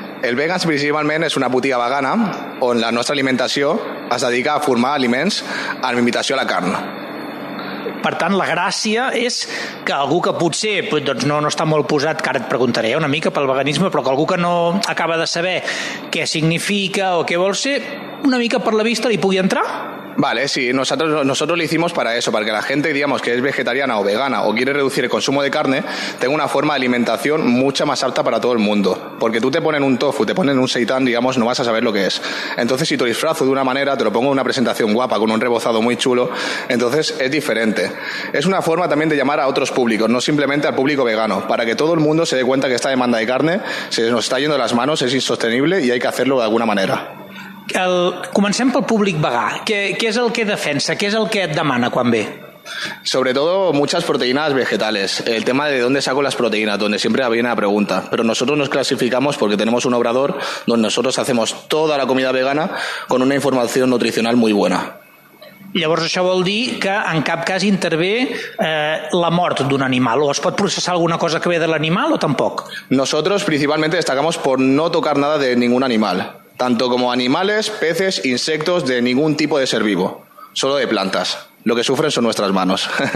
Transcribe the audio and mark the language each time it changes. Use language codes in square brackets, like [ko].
[ca] El Vegans principalment és una botiga vegana on la nostra alimentació es dedica a formar aliments amb imitació a la carn. Per tant, la gràcia és que algú que potser doncs no està molt posat, que ara et preguntaré una mica pel veganisme, però que algú que no acaba de saber què significa o què vol ser, una mica per la vista li pugui entrar? [es] Vale, sí, nosotros lo hicimos para eso, para que la gente, digamos, que es vegetariana o vegana o quiere reducir el consumo de carne, tenga una forma de alimentación mucho más apta para todo el mundo. Porque tú te ponen un tofu, te ponen un seitán, digamos, no vas a saber lo que es. Entonces, si te disfrazo de una manera, te lo pongo en una presentación guapa, con un rebozado muy chulo, entonces es diferente. Es una forma también de llamar a otros públicos, no simplemente al público vegano, para que todo el mundo se dé cuenta que esta demanda de carne se nos está yendo de las manos, es insostenible y hay que hacerlo de alguna manera. [ca] Comencem pel públic vegà. Què és el que defensa? Què és el que et demana quan ve? [es] Sobre todo muchas proteínas vegetales. El tema de dónde saco las proteínas, donde siempre viene la pregunta. Pero nosotros nos clasificamos porque tenemos un obrador donde nosotros hacemos toda la comida vegana con una información nutricional muy buena. [ca] Llavors això vol dir que en cap cas intervé la mort d'un animal, o es pot processar alguna cosa que ve de l'animal o tampoc? [es] Nosotros principalmente destacamos por no tocar nada de ningún animal. Tanto como animales, peces, insectos, de ningún tipo de ser vivo. Solo de plantas. Lo que sufren son nuestras manos.